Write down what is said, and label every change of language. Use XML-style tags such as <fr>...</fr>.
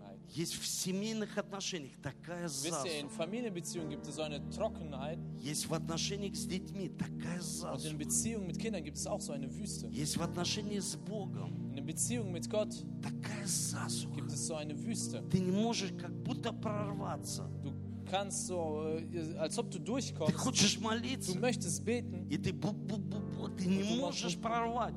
<ru>Есть в семейных отношениях такая засуха.</ru> <de>In Familienbeziehungen gibt es so eine Trockenheit.</de> <ru>Есть в отношениях с детьми такая засуха.</ru> <de>Und in Beziehungen mit Kindern gibt es auch so eine Wüste.</de> <ru>Есть в отношении с Богом.</ru> <de>In Beziehungen mit Gott</de> <ru>такая засуха.</ru> <de>Gibt es so eine Wüste.</de> <ru>Ты не можешь как будто прорваться.</ru> <de>Du kannst so, als ob du durchkommst.</de> <ru>Ты хочешь молиться.</ru> <de>Du möchtest beten.</de> <ru>И ты бу-бу-бу-бу, ты не можешь прорвать.</ru>